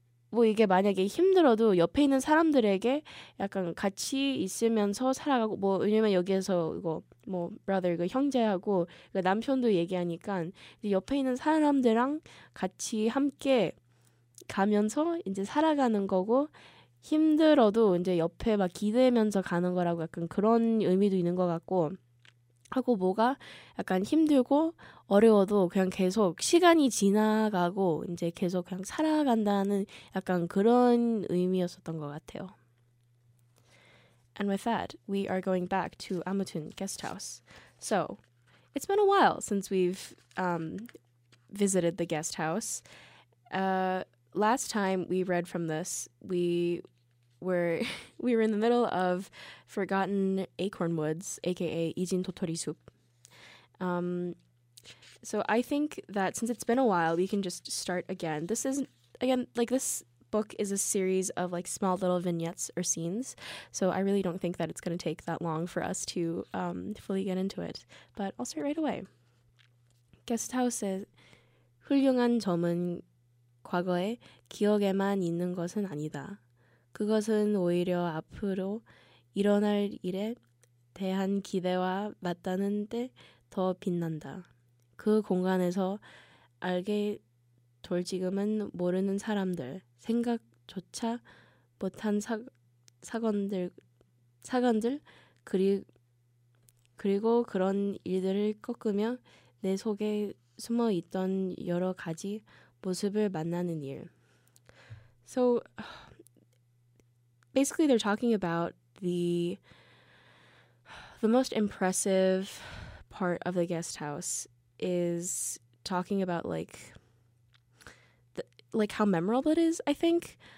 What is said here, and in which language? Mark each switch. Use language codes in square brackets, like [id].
[ko] 뭐 이게 만약에 힘들어도 옆에 있는 사람들에게 약간 같이 있으면서 살아가고 뭐 왜냐면 여기에서 이거 뭐 brother 이거 형제하고 이거 남편도 얘기하니까 옆에 있는 사람들랑 같이 함께 가면서 이제 살아가는 거고 힘들어도 이제 옆에 막 기대면서 가는 거라고 약간 그런 의미도 있는 것 같고 하고 뭐가 약간 힘들고 어려워도 그냥 계속 시간이 지나가고 이제 계속 그냥 살아간다는 약간 그런 의미였었던 것 같아요. [en] And with that, we are going back to Amutun Guesthouse. So, it's been a while since we've visited the guesthouse. Last time we read from this, we were in the middle of Forgotten Acorn Woods, aka [ko] 잊은 도토리 숲. [en] So I think that since it's been a while, we can just start again. This is, again, like this book is a series of like small little vignettes or scenes. So I really don't think that it's going to take that long for us to fully get into it. But I'll start right away. [ko] Guesthouse의 훌륭한 점은 과거에 기억에만 있는 것은 아니다. 그것은 오히려 앞으로 일어날 일에 대한 기대와 맞닿는 데 더 빛난다. 그 공간에서 알게 돌 지금은 모르는 사람들, 생각조차 못한 사건들 그리고 그런 일들을 꺾으며 내 속에 숨어 있던 여러 가지 모습을 만나는 일. [en] So basically they're talking about the most impressive part of the guest house is talking about like how memorable it is, I think.